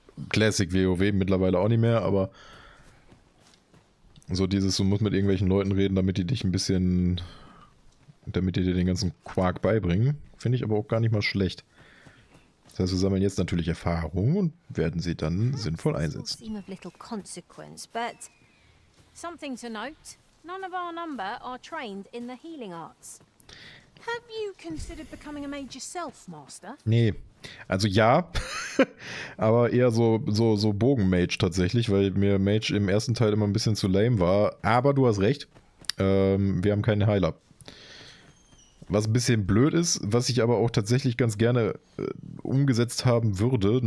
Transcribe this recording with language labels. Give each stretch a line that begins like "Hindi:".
German: Classic WoW, mittlerweile auch nicht mehr, aber so dieses, du musst mit irgendwelchen Leuten reden, damit die dich ein bisschen, damit die dir den ganzen Quark beibringen, finde ich aber auch gar nicht mal schlecht. Das heißt, wir sammeln jetzt natürlich Erfahrungen und werden sie dann sinnvoll einsetzen.
English: Seem of little consequence, but something to note. None of our number are trained in the healing arts. Have you considered becoming a mage yourself, Master?
German: Nee. Also ja, aber eher so Bogenmage tatsächlich, weil mir Mage im ersten Teil immer ein bisschen zu lame war. Aber du hast recht, wir haben keinen Heiler. Was ein bisschen blöd ist, was ich aber auch tatsächlich ganz gerne umgesetzt haben würde.